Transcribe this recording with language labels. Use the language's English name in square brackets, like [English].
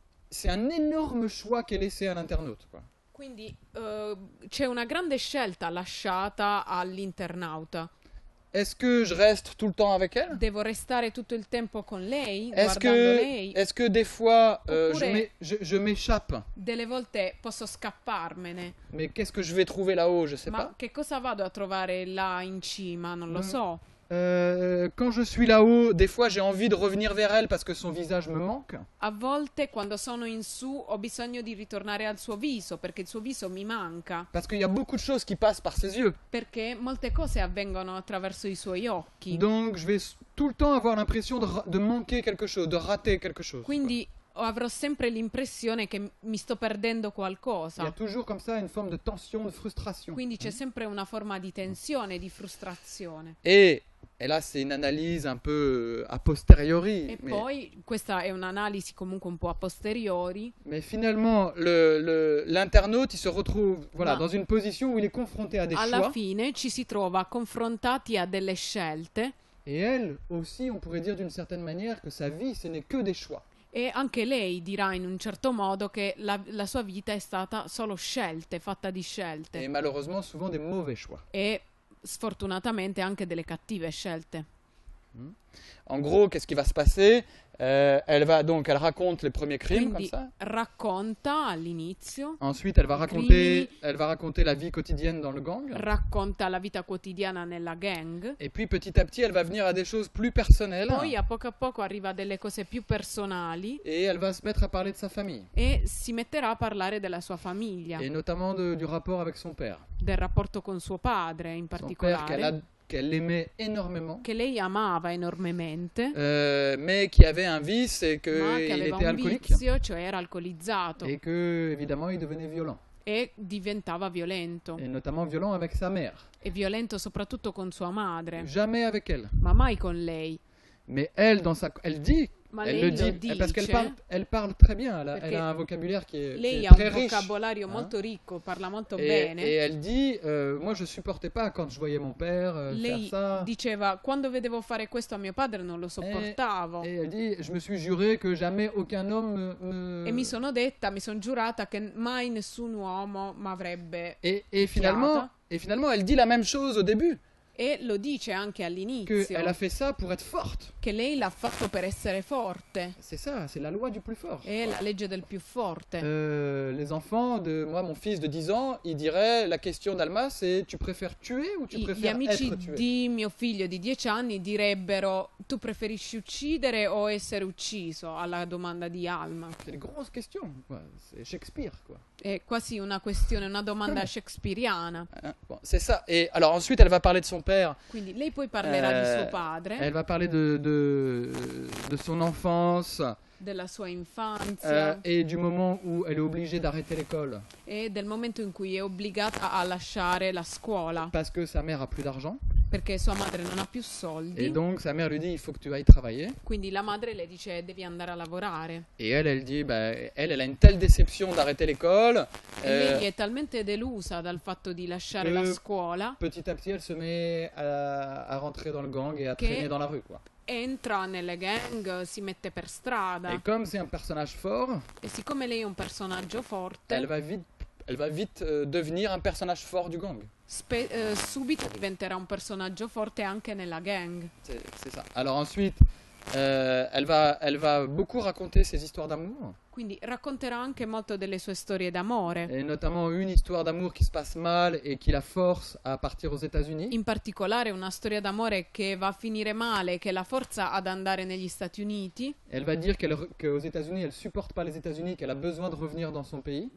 [French] C'est un énorme choix qui est laissé à l'internaute, quoi. [Italian] Quindi c'è una grande scelta lasciata all'internauta. [French] Est-ce que je reste tout le temps avec elle? [Italian] Devo restare tutto il tempo con lei, lei. [French] Est-ce que des fois je m'échappe? [Italian] Delle volte posso scapparmene. [French] Mais qu'est-ce que je vais trouver là-haut, je sais [Italian] Ma [French] pas. [Italian] Ma che cosa vado a trovare là in cima, non lo so. [French] Quand je suis là-haut, des fois j'ai envie de revenir vers elle parce que son visage me manque. [Italian] A volte quando sono in su ho bisogno di ritornare al suo viso perché il suo viso mi manca. [French] Parce qu'il y a beaucoup de choses qui passent par ses yeux. [Italian] Perché molte cose avvengono attraverso i suoi occhi. [French] Donc je vais tout le temps avoir l'impression de manquer quelque chose, de rater quelque chose. [Italian] Quindi avrò sempre l'impressione che mi sto perdendo qualcosa. [French] Il y a toujours comme ça une forme de tension, de frustration. [Italian] Quindi c'è sempre una forma di tensione, di frustrazione. [French] Et là, c'est une analyse un peu a posteriori. [Italian] E poi questa è un'analisi comunque un po' a posteriori. [French] Mais finalement, l'internaute, il se retrouve dans une position où il est confronté à des choix. [Italian] Alla fine ci si trova confrontati a delle scelte. [French] Et elle aussi, on pourrait dire d'une certaine manière que sa vie, ce n'est que des choix. [Italian] E anche lei dirà in un certo modo che la sua vita è stata solo scelte, fatta di scelte. [French] Et malheureusement, souvent des mauvais choix. [Italian] E sfortunatamente anche delle cattive scelte. [French] En gros, qu'est-ce qui va se passer? Elle raconte les premiers crimes. [Italian] Quindi, [French] comme ça. [Italian] Racconta all'inizio. [French] Ensuite, elle va raconter la vie quotidienne dans le gang. [Italian] Racconta la vita quotidiana nella gang. [French] Et puis, petit à petit, elle va venir à des choses plus personnelles. [Italian] Poi, a poco arriva a delle cose più personali. [French] Et elle va se mettre à parler de sa famille. [Italian] E si metterà a parlare della sua famiglia. [French] Et notamment du rapport avec son père. [Italian] Del rapporto con suo padre, in [French] son [Italian] particolare. [French] Père qu'elle a qu'elle aimait énormément. [Italian] Que lei amava enormemente. [French] Mais qui avait un vice et que il était alcolique. [Italian] Vizio, cioè era alcolizzato. [French] Et que évidemment il devenait violent. [Italian] E diventava violento. [French] Et notamment violent avec sa mère. [Italian] E violento soprattutto con sua madre. [French] Jamais avec elle. [Italian] Ma mai con lei. [French] Mais elle dans sa, elle dit. [Italian] Ma [French] elle [Italian] lei [French] le dit, [Italian] lo dice, [French] parce qu'elle parle, elle parle très bien, elle, elle a un vocabulaire qui est très riche. [Italian] Lei ha un vocabolario hein? molto ricco, parla molto [French] et, [Italian] bene. [French] Et elle dit, moi je supportais pas quand je voyais mon père [Italian] lei [French] faire ça. [Italian] Lei diceva, quando vedevo fare questo a mio padre non lo sopportavo. [French] Et elle dit, je me suis juré que jamais aucun homme... [Italian] E mi sono detta, mi sono giurata che mai nessun uomo m'avrebbe [French] Et finalement, elle dit la même chose au début. [Italian] E lo dice anche all'inizio. [French] Que elle a fait ça pour être forte. [Italian] Che lei l'ha fatto per essere forte. [French] C'est ça, c'est la loi du plus fort. [Italian] È la legge del più forte. [French] Les enfants de moi, mon fils de 10 ans, il dirait la question d'Alma, c'est tu préfères tuer ou tu préfères être tué? [Italian] Gli amici di mio figlio di 10 anni direbbero tu preferisci uccidere o essere ucciso alla domanda di Alma. [French] C'est une grosse question, quoi. C'est Shakespeare, quoi. [Italian] È quasi una questione, una domanda shakespeariana. [French] Bon, c'est ça. Et alors ensuite elle va parler de son père. [Italian] Quindi lei poi parlerà di suo padre. [French] Elle va parler de son enfance. [Italian] Della sua infanzia. [French] Et du moment où elle est obligée d'arrêter l'école. [Italian] E del momento in cui è obbligata a lasciare la scuola. [French] Parce que sa mère a plus d'argent. [Italian] Perché sua madre non ha più soldi. [French] Et donc sa mère lui dit il faut que tu ailles travailler. [Italian] Quindi la madre le dice devi andare a lavorare. [French] Et elle dit bah, elle a une telle déception d'arrêter l'école. [Italian] Lei è talmente delusa dal fatto di lasciare la scuola. [French] Petit à petit elle se met à rentrer dans le gang et à traîner dans la rue quoi. [Italian] Entra nelle gang, si mette per strada. [French] Et comme c'est un personnage fort. [Italian] E siccome lei è un personaggio forte. [French] Elle va vite devenir un personnage fort du gang. [Italian] Subito diventerà un personaggio forte anche nella gang. [French] C'est ça. Alors ensuite, elle va beaucoup raconter ses histoires d'amour. [Italian] Quindi racconterà anche molto delle sue storie d'amore. [French] Et notamment une histoire d'amour qui se passe mal et qui la force à partir aux États-Unis. [Italian] In particolare una storia d'amore che va a finire male e che la forza ad andare negli Stati Uniti. [French] Elle va dire che aux États-Unis elle supporte pas les États-Unis, qu'elle a besoin de revenir dans son pays.